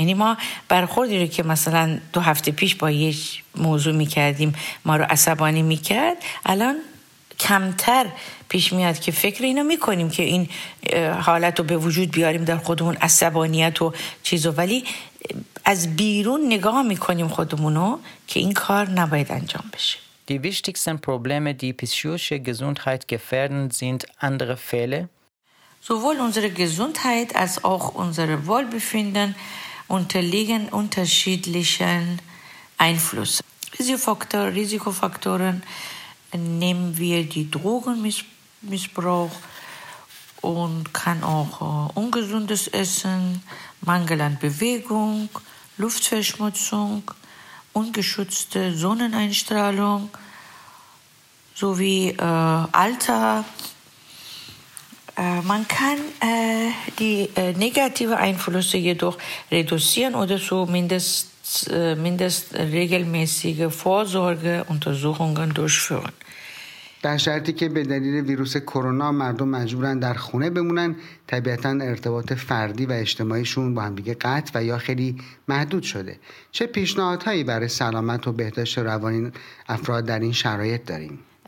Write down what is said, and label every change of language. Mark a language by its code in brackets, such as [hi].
[fa] یعنی ما برخوردی رو که مثلا دو هفته پیش با یه موضوع میکردیم ما رو عصبانی میکرد، الان کمتر پیش میاد که فکر اینو میکنیم که این حالت رو به وجود بیاریم در خودمون، عصبانیت و چیزو، ولی از بیرون نگاه میکنیم خودمونو که این کار نباید انجام بشه. [de] Die wichtigsten Probleme, die psychische Gesundheit gefährden, sind andere Fehler. Sowohl unsere Gesundheit als auch unser Wohlbefinden unterliegen unterschiedlichen Einflüssen. Risikofaktoren, nehmen wir die Drogenmissbrauch und kann auch ungesundes Essen, Mangel an Bewegung, Luftverschmutzung, ungeschützte Sonneneinstrahlung, sowie Alter. Man kann die negative Einflüsse jedoch reduzieren oder zumindest regelmäßige Vorsorgeuntersuchungen durchführen. [fa] در شرطی که به دلیل ویروس کرونا مردم مجبورن در خونه بمونن، طبیعتاً ارتباط فردی و اجتماعیشون با هم دیگه قطع و یا خیلی محدود شده. چه پیشنهادهایی برای سلامت و بهداشت روانی افراد در این شرایط دارین؟